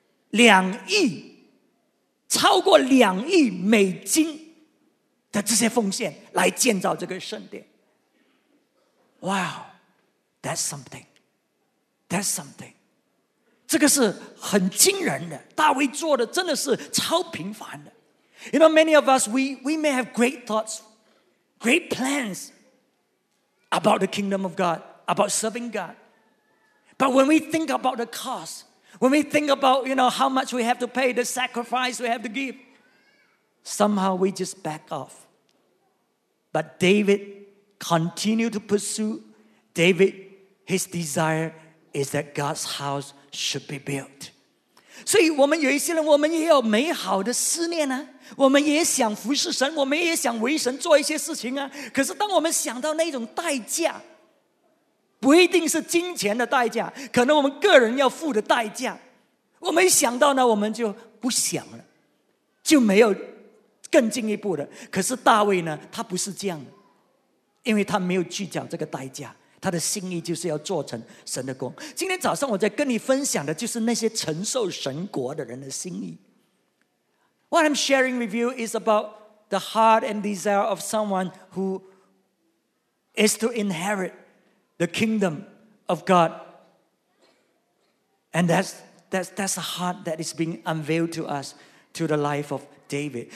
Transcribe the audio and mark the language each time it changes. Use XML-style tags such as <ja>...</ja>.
<zh>两亿。超过$2亿的这些奉献来建造这个圣殿。</zh> <en>Wow, that's something. That's something.</en> <zh>这个是很惊人的，大卫做的真的是超平凡的。</zh> <en>You know, many of us, we may have great thoughts, great plans about the kingdom of God, about serving God. But when we think about the cost,When we think about, you know, how much we have to pay, the sacrifice we have to give, somehow we just back off. But David continued to pursue. David, his desire is that God's house should be built.</en> <zh>所以我们有一些人，我们也有美好的思念啊，我们也想服侍神，我们也想为神做一些事情啊。可是当我们想到那种代价，不一定是金钱的代价，可能我们个人要付的代价，我没想到呢，我们就不想了，就没有更进一步的。可是大卫呢，他不是这样的，因为他没有计较这个代价，他的心意就是要做成神的功。今天早上我在跟你分享的就是那些承受神国的人的心意。</zh> <en>What I'm sharing with you is about the heart and desire of someone who is to inheritThe kingdom of God. And that's a heart that is being unveiled to us, to the life of David.</en>